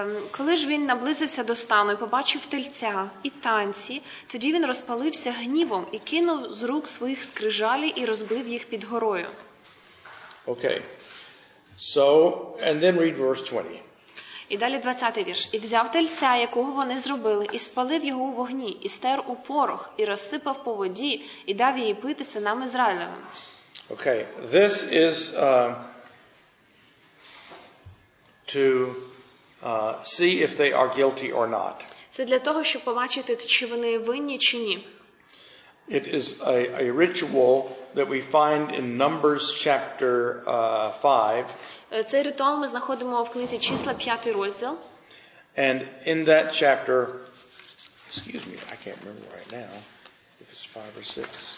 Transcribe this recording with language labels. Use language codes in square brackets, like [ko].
[uk] Коли ж він наблизився до стану і побачив тельця і танці, тоді він розпалився гнівом і кинув з рук своїх скрижалі і розбив їх під горою. [en] Okay. So, and then read verse 20. [uk] І далі 20-й вірш. І взяв тельця, якого вони зробили, і спалив його у вогні, і стер у порох, і розсипав по воді, і дав її пити синам Ізраїлевим. [en] Okay. This is to see if they are guilty or not. [uk] Це для того, щоб побачити, чи вони винні чи ні. [en] It is a ritual that we find in Numbers chapter 5. [uk] Цей ритуал ми знаходимо в книзі Числа, 5 розділ. [en] And in that chapter, excuse me, I can't remember right now if it's 5 or 6.